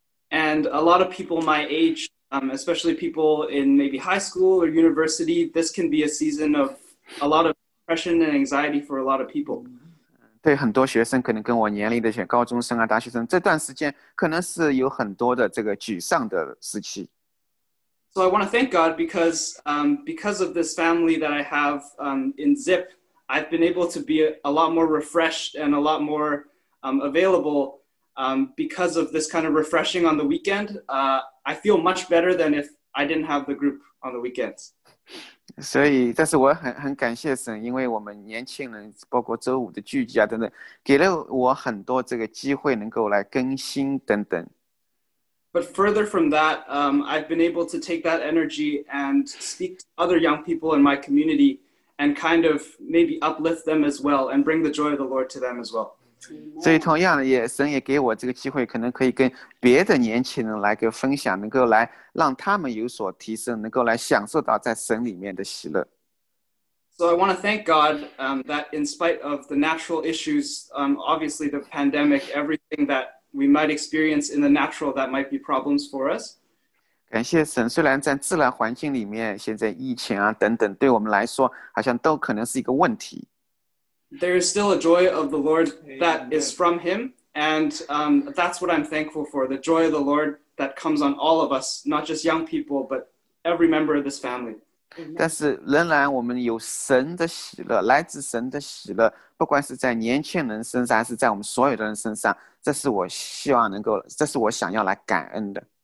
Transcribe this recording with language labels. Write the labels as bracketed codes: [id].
[en] And a lot of people my age,especially people in maybe high school or university, this can be a season of a lot of depression and anxiety for a lot of people. [zh] 对很多学生可能跟我年龄的学高中生啊大学生这段时间可能是有很多的这个沮丧的时期。 [en] So I want to thank God because of this family that I have in ZIP, I've been able to be a lot more refreshed and a lot more available because of this kind of refreshing on the weekend. I feel much better than if I didn't have the group on the weekends. [zh] 所以，但是我很感谢神，因为我们年轻人，包括周五的聚集啊等等，给了我很多这个机会能够来更新等等。 [en] But further from that, I've been able to take that energy and speak to other young people in my community and kind of maybe uplift them as well and bring the joy of the Lord to them as well. [zh] 所以同样的也神也给我这个机会可能可以跟别的年轻人来个分享能够来让他们有所提升能够来享受到在神里面的喜乐。 [en] So I want to thank God that in spite of the natural issues, obviously the pandemic, everything that we might experience in the natural that might be problems for us. [zh] 感谢神虽然在自然环境里面现在疫情啊等等对我们来说好像都可能是一个问题。 [en] There is still a joy of the Lord that is from him. And that's what I'm thankful for, the joy of the Lord that comes on all of us, not just young people, but every member of this family. [zh] 但是仍然我们有神的喜乐，来自神的喜乐，不管是在年轻人身上，还是在我们所有的人身上，这是我希望能够，这是我想要来感恩的。